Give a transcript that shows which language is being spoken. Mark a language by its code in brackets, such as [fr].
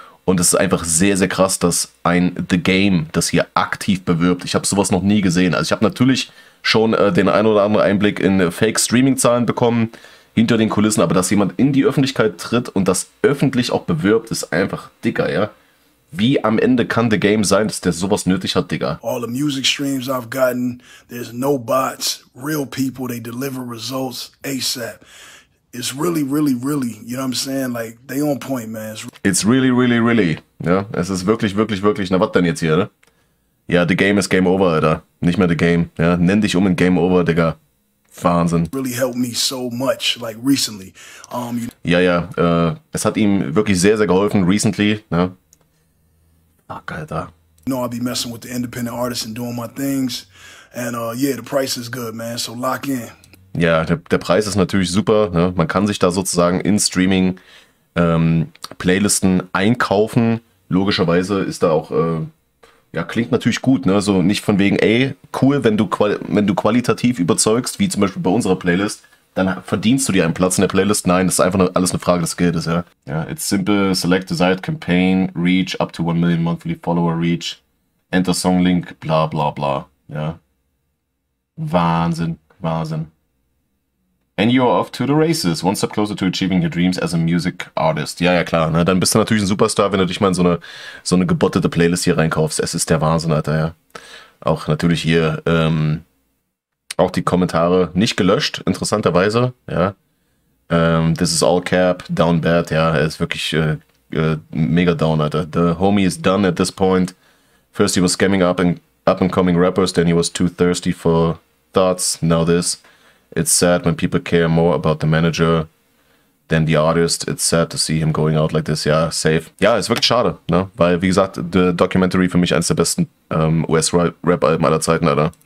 [de] Und es ist einfach sehr, sehr krass, dass ein The Game das hier aktiv bewirbt. Ich habe sowas noch nie gesehen. Also ich habe natürlich schon den ein oder anderen Einblick in Fake-Streaming-Zahlen bekommen, hinter den Kulissen, aber dass jemand in die Öffentlichkeit tritt und das öffentlich auch bewirbt, ist einfach dicker, ja. Wie am Ende kann The Game sein, dass der sowas nötig hat, Digga? [en] All the music streams I've gotten, there's no bots, real people, they deliver results ASAP. It's really, really, really, you know what I'm saying? Like, they on point, man. It's really, really, really. [de] Ja, es ist wirklich, wirklich, wirklich. Na, was denn jetzt hier, ne? Ja, The Game ist Game Over, Alter. Nicht mehr The Game, ja. Nenn dich um in Game Over, Digga. Wahnsinn. [en] Really helped me so much, like recently. [de] Ja, ja, es hat ihm wirklich sehr, sehr geholfen, recently, ne? Fuck, Alter. [en] You know, I'll be messing with the independent artists and doing my things. And yeah, the price is good, man, so lock in. [de] Ja, der Preis ist natürlich super, ne? Man kann sich da sozusagen in Streaming Playlisten einkaufen. Logischerweise ist da auch, ja, klingt natürlich gut, ne? So nicht von wegen, ey, cool, wenn du qualitativ überzeugst, wie zum Beispiel bei unserer Playlist, dann verdienst du dir einen Platz in der Playlist. Nein, das ist einfach alles eine Frage des Geldes, ja. [en] Ja, it's simple, select desired campaign, reach up to 1 million monthly follower reach, enter song link, bla bla bla, ja. [de] Wahnsinn, Wahnsinn. [en] And you're off to the races, one step closer to achieving your dreams as a music artist. [de] Ja, ja, klar, ne? Dann bist du natürlich ein Superstar, wenn du dich mal in so eine gebottete Playlist hier reinkaufst. Es ist der Wahnsinn, Alter, ja. Auch natürlich hier, auch die Kommentare nicht gelöscht, interessanterweise, ja. [en] This is all cap, down bad, [de] ja, er ist wirklich mega down, Alter. [en] The homie is done at this point. First he was scamming up and coming rappers, then he was too thirsty for thoughts, now this. It's sad when people care more about the manager than the artist. It's sad to see him going out like this. [de] Ja, safe. Ja, ist wirklich schade, ne? Weil, wie gesagt, The Documentary für mich eines der besten US-Rap-Alben aller Zeiten, Alter.